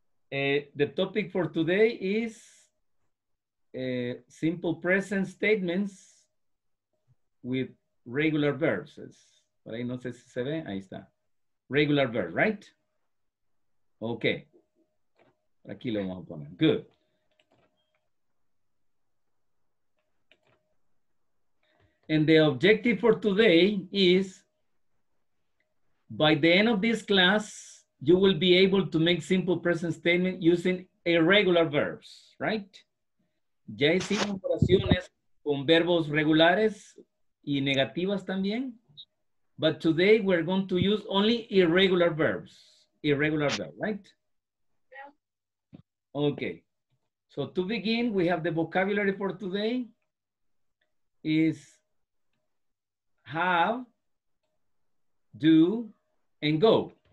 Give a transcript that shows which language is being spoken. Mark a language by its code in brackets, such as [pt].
[en] The topic for today is simple present statements with regular verbs. [es] Por ahí no sé si se ve, ahí está. [en] Regular verb, right? Okay. Aquí lo vamos a poner. Good. And the objective for today is by the end of this class, you will be able to make simple present statement using irregular verbs, right? [es] Ya hicimos oraciones con verbos regulares y negativas también. [en] But today we're going to use only irregular verbs. Irregular verb, right? Okay. So to begin, we have the vocabulary for today is have, do, and go.